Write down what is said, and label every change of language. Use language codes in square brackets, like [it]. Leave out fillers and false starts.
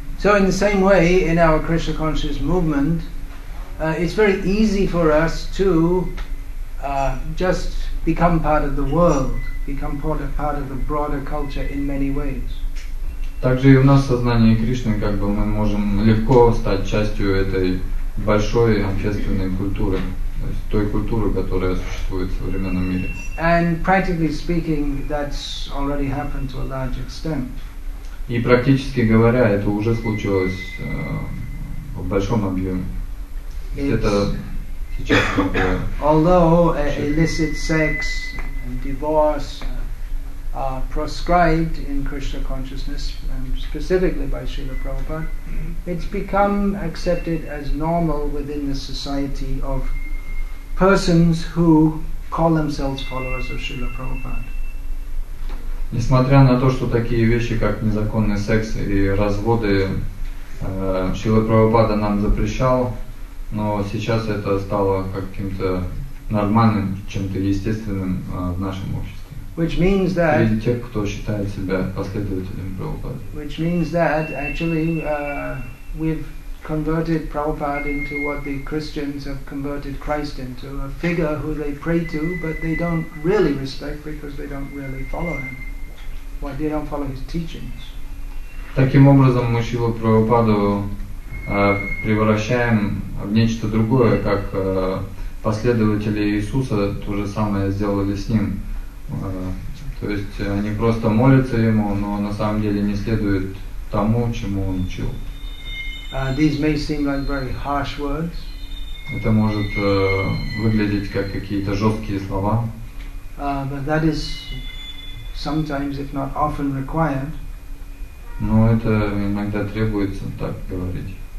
[en] So in the same way, in our Krishna conscious movement, it's very easy for us to just become part of the world, become part of the broader culture in many ways. [ru] Также и у нас в сознании Кришны как бы мы можем легко стать частью этой большой общественной культуры, то есть той культуры, которая существует в современном мире. [en] And practically speaking, that's already happened to a large extent. [ru] И практически говоря, это уже случилось в большом объеме. [en] Although illicit sex and divorce are proscribed in Krishna consciousness, and specifically by Srila Prabhupada, it's become accepted as normal within the society of persons who call themselves followers of Srila Prabhupada. [ru] Несмотря на то, что такие вещи, как незаконный секс и разводы, Шрила Прабхупада нам запрещал, но сейчас это стало каким-то нормальным, чем-то естественным в нашем обществе. [en] Which means that, [ru] среди тех, кто считает себя последователем Прабхупады. [en] Which means that actually we've converted Prabhupada into what the Christians have converted Christ into, a figure who they pray to, but they don't really respect because they don't really follow him. Why they don't follow his teachings. [ru] Таким образом, мы Шрилу Прабхупаду превращаем в нечто другое, как последователи Иисуса то же самое сделали с ним. То есть они просто молятся ему, но на самом деле не следуют тому, чему он учил. [en] These may seem like very harsh words. [ru] Это может выглядеть как какие-то жесткие слова. [en] But that is sometimes, if not often, required. [ru] Но это иногда требуется так говорить.